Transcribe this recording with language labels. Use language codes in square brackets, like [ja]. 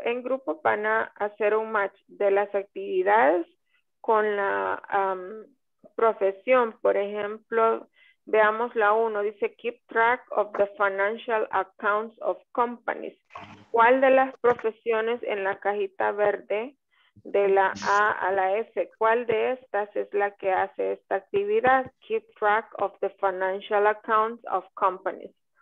[es] En grupo van a hacer un match de las actividades con la profesión. Por ejemplo, veamos la 1. Dice, [en] keep track of the financial accounts of companies. [es] ¿Cuál de las profesiones en la cajita verde de la A a la F? ¿Cuál de estas es la que hace esta actividad? [en] Keep track of the financial accounts of companies.